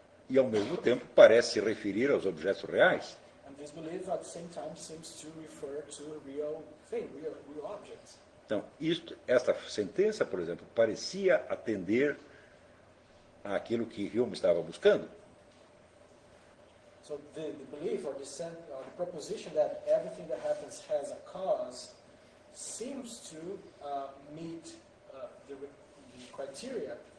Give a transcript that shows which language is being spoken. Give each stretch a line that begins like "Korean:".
Portuguese: E ao mesmo tempo parece se referir aos objetos reais.
English: And this belief at the same time seems to refer to a real thing, real objects.
Portuguese: Então, isto, esta sentença, por exemplo, parecia atender àquilo que Hume estava buscando.
English: So the belief or the proposition that everything that happens has a cause seems to meet the criteria